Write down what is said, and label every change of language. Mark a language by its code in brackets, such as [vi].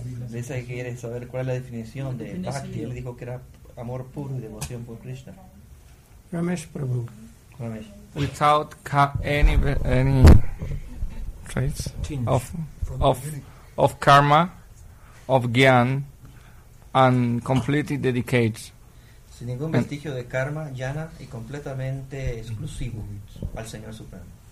[es] Dice que quiere saber cuál es la definición de bhakti. Él dijo que era amor puro y devoción por Krishna. Ramesh Prabhu. Ramesh. [en] Without any traits of karma, of gyan, and completely dedicated. [es] Sin ningún vestigio de karma, jnana, y completamente exclusivo al Señor Supremo.